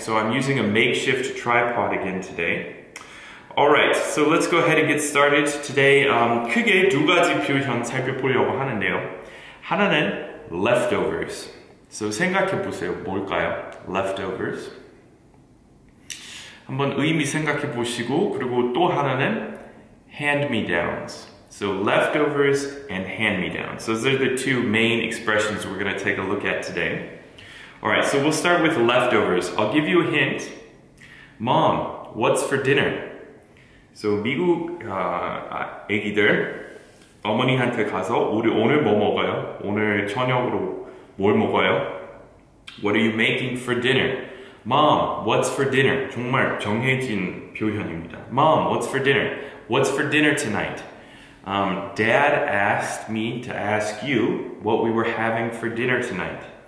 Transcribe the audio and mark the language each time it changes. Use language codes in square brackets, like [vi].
[en] So I'm using a makeshift tripod again today. All right, so let's go ahead and get started today. [ko] 크게 두 가지 표현 살펴보려고 하는데요. 하나는 leftovers. So 생각해 보세요. 뭘까요? Leftovers. 한번 의미 생각해 보시고 그리고 또 하나는 hand-me-downs. [en] So leftovers and hand-me-downs. So those are the two main expressions we're going to take a look at today. All right, so we'll start with leftovers. I'll give you a hint. Mom, what's for dinner? [ko] So 미국 애기들 어머니한테 가서 우리 오늘 뭐 먹어요? 오늘 저녁으로 뭘 먹어요? [en] What are you making for dinner? Mom, what's for dinner? [ko] 정말 정해진 표현입니다. [en] Mom, what's for dinner? What's for dinner tonight? Dad asked me to ask you what we were having for dinner tonight.